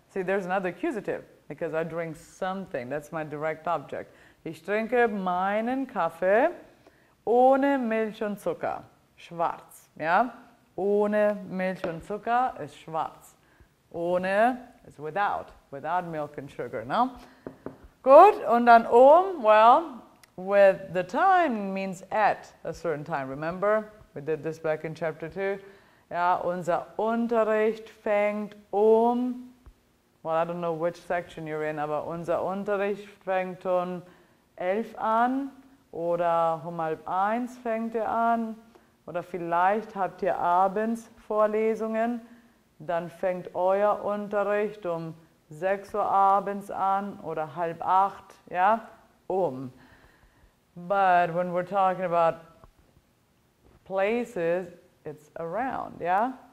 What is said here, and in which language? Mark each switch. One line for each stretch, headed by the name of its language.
English: See, there's another accusative, because I drink something. That's my direct object.
German: Ich trinke meinen Kaffee ohne Milch und Zucker. Schwarz, ja? Ohne Milch und Zucker ist schwarz.
English: Ohne ist without. Without milk and sugar, no?
German: Gut, und dann um,
English: well, with the time means at a certain time, remember? We did this back in chapter 2.
German: Ja, unser Unterricht fängt um.
English: Well, I don't know which section you're in,
German: aber unser Unterricht fängt um 11 an. Oder um 12:30 fängt er an. Oder vielleicht habt ihr abends Vorlesungen. Dann fängt euer Unterricht um 6 Uhr abends an. Oder 7:30. Ja, um.
English: But when we're talking about places, it's around, ja?